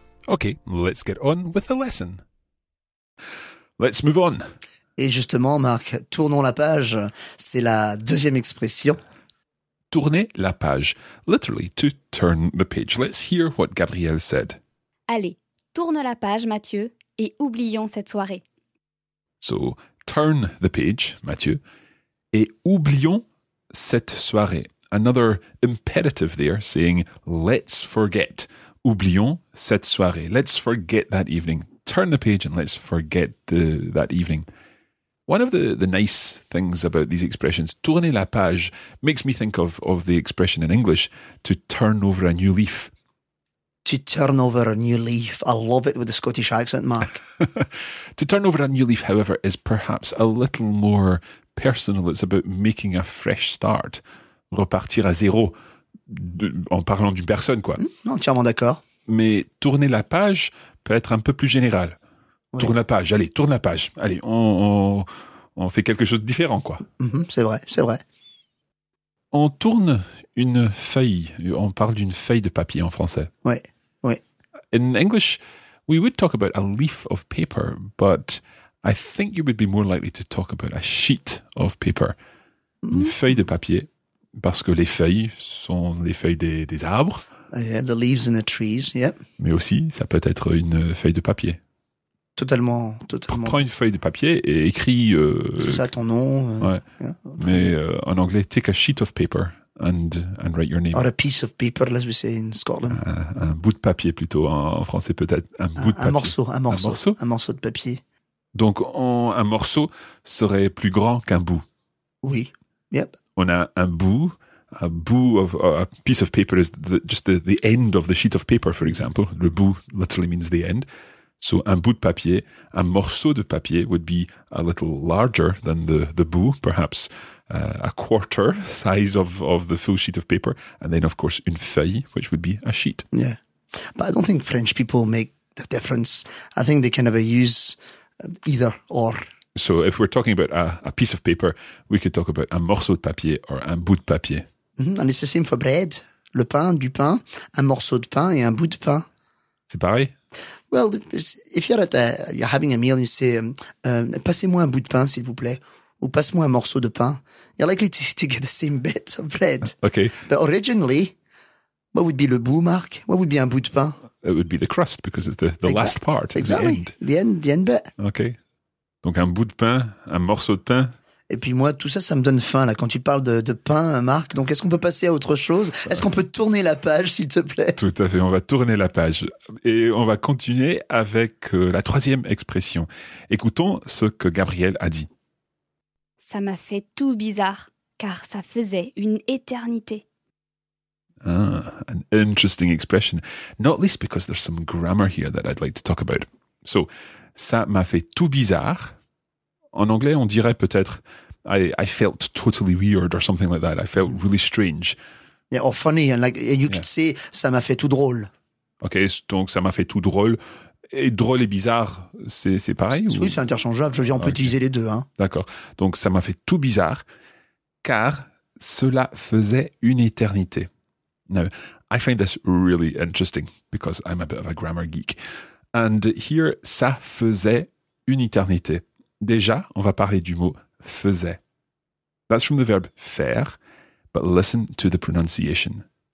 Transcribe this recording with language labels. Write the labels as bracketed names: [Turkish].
[English] Okay, let's get on with the lesson. Let's move on. [French] Et justement, Marc, tournons la page. C'est la deuxième expression. tourner la page. [English] Literally, to turn the page. Let's hear what Gabrielle said. [French] Allez, tourne la page, Mathieu, et oublions cette soirée. [English] So, turn the page, Mathieu, [French] et oublions cette soirée. [English] Another imperative there, saying, let's forget. [French] Oublions cette soirée. [English] Let's forget that evening. Turn the page and let's forget that evening. One of the nice things about these expressions, [French] tourner la page, [English] makes me think of the expression in English, to turn over a new leaf. To turn over a new leaf. I love it with the Scottish accent, Mark. To turn over a new leaf, however, is perhaps a little more personal. It's about making a fresh start. [French] Repartir à zéro, en parlant d'une personne, quoi. Entièrement d'accord. Mais tourner la page peut être un peu plus général. Oui. Tourne la page, allez, tourne la page. Allez, on fait quelque chose de différent, quoi. Mm-hmm, c'est vrai, c'est vrai. On tourne une feuille. On parle d'une feuille de papier en français. Oui, oui. [English] In English, we would talk about a leaf of paper, but I think you would be more likely to talk about a sheet of paper. Mm-hmm. [French] Une feuille de papier, parce que les feuilles sont les feuilles des arbres. [English] Yeah, the leaves in the trees, yeah. [French] Mais aussi, ça peut être une feuille de papier. Totalement, totalement. Prends une feuille de papier et écris... C'est ça ton nom. Ouais. [English] Yeah. [French] Mais en anglais, [English] take a sheet of paper and write your name. Or a piece of paper, as we say in Scotland. [French] Un bout de papier plutôt, en français peut-être. Un bout de papier. Un morceau. Un morceau de papier. Donc un morceau serait plus grand qu'un bout. Oui, yep. On a un bout. [English] A bout of a piece of paper is just the end of the sheet of paper, for example. Le bout literally means the end. So [French] un bout de papier, [English] un morceau de papier would be a little larger than the bout, perhaps a quarter size of the full sheet of paper. And then, of course, [French] une feuille, [English] which would be a sheet. Yeah. But I don't think French people make the difference. I think they kind of use either or. So if we're talking about a piece of paper, we could talk about [French] un morceau de papier [English] or [French] un bout de papier. [English] Mm-hmm. And it's the same for bread. [French] Le pain, du pain, un morceau de pain et un bout de pain. C'est pareil. [English] Well, if you're at you're having a meal and you say, [French] passez-moi un bout de pain, s'il vous plaît, ou passe-moi un morceau de pain, [English] you're likely to get the same bit of bread. Okay. But originally, what would be le bout, Mark? What would be [French] un bout de pain? [English] It would be the crust, because it's the last part. Exactly. The end bit. Okay. [French] Donc un bout de pain, un morceau de pain. Et puis moi, tout ça, ça me donne faim, là, quand tu parles de pain, Marc. Donc est-ce qu'on peut passer à autre chose? Est-ce qu'on peut tourner la page, s'il te plaît? Tout à fait, on va tourner la page. Et on va continuer avec la troisième expression. Écoutons ce que Gabriel a dit. Ça m'a fait tout bizarre, car ça faisait une éternité. [English] Ah, an interesting expression. Not least because there's some grammar here that I'd like to talk about. [French] So... Ça m'a fait tout bizarre. En anglais, on dirait peut-être [English] I felt totally weird or something like that. I felt really strange. Yeah, or funny. And like, you could say, [French] ça m'a fait tout drôle. OK, donc ça m'a fait tout drôle. Et drôle et bizarre, c'est pareil? Oui, c'est interchangeable. Je veux dire, on peut utiliser les deux. Hein. D'accord. Donc, ça m'a fait tout bizarre, car cela faisait une éternité. [English] Now, I find this really interesting, because I'm a bit of a grammar geek. And here, [French] ça faisait une éternité. Déjà, on va parler du mot faisait. [English] That's from the verb faire, but listen to the pronunciation.